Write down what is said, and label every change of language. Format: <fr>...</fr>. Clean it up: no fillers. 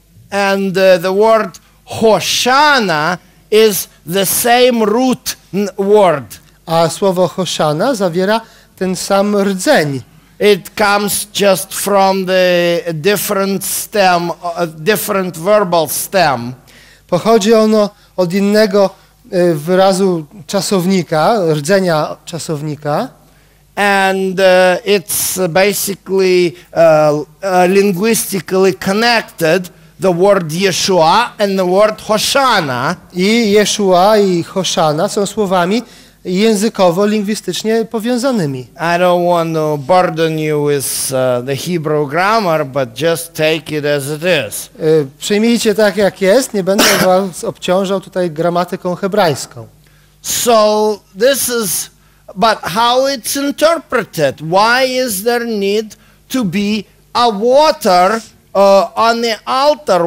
<en>And the word Hosanna is the same root word.</en> <pl>A słowo Hosanna zawiera ten sam rdzeń.</pl> <en>It comes just from the different stem, different verbal stem.</en> <pl>Pochodzi ono od innego wyrazu czasownika, rdzenia czasownika.</pl> <en>And it's basically linguistically connected, the word Yeshua and the word Hoshana.</en> <pl>I Yeshua i Hoshana są słowami językowo, lingwistycznie powiązanymi.</pl> <en>I don't want to burden you with the Hebrew grammar, but just take it as it is.</en> <pl>Przyjmijcie tak, jak jest. Nie będę was obciążał tutaj gramatyką hebrajską.</pl> <en>So this is, but how it's interpreted? Why is there need to be a water on the altar?</en>